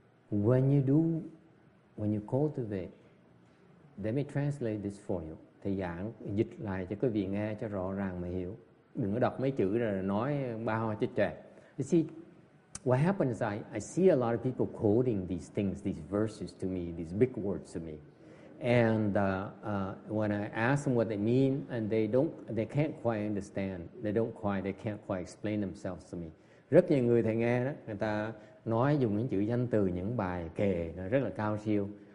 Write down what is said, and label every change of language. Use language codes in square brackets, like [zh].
[en] When you cultivate, let me translate this for you. [vi] Thầy giảng dịch lại cho quý vị nghe cho rõ ràng mà hiểu. Đừng có đọc mấy chữ rồi nói bao cho trẻ. [en] You see, what happens is I see a lot of people quoting these things, these verses to me, these big words to me. And when I ask them what they mean, and they can't quite understand. They can't quite explain themselves to me. [vi] Rất nhiều người thầy nghe đó, người ta nói dùng những chữ danh từ, những bài kệ rất là cao siêu.